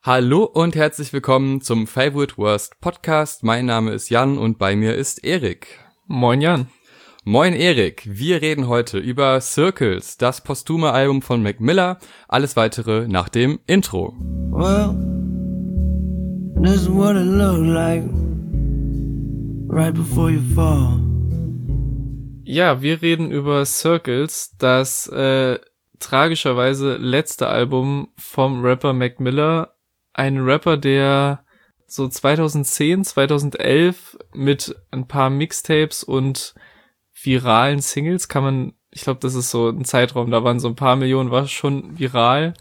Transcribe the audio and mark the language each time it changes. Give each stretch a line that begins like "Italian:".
German: Hallo und herzlich willkommen zum Favorite Worst Podcast. Mein Name ist Jan und bei mir ist Erik. Moin Jan. Moin Erik. Wir reden heute über Circles, das posthume Album von Mac Miller. Alles weitere nach dem Intro.
English: Well, this is what it looked like right before you fall.
German: Ja, wir reden über Circles, das tragischerweise letzte Album vom Rapper Mac Miller. Ein Rapper, der so 2010, 2011 mit ein paar Mixtapes und viralen Singles, kann man, ich glaube, das ist so ein Zeitraum, da waren so ein paar Millionen, war schon viral,